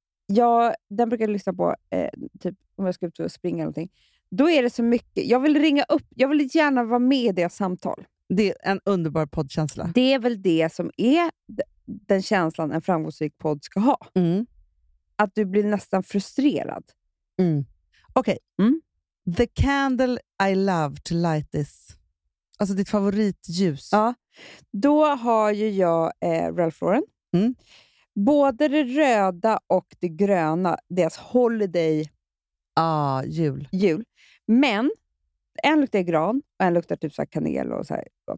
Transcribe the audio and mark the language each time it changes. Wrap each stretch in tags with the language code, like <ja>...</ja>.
<sv>Ja, den brukar jag lyssna på typ om jag ska ut och springa eller någonting. Då är det så mycket. Jag vill ringa upp. Jag vill gärna vara med i det samtal. Det är en underbar poddkänsla. Det är väl det som är den känslan en framgångsrik podd ska ha. Mm. Att du blir nästan frustrerad. Mm. Okej.</sv> <en>Okay. Mm. The candle I love to light this.</en> <sv>Alltså ditt favoritljus. Ja. Då har ju jag Ralph Lauren. Mm. Både det röda och det gröna. Deras holiday. Ja, jul. Jul. Men en luktar gran och en luktar typ så här kanel och så här.</sv>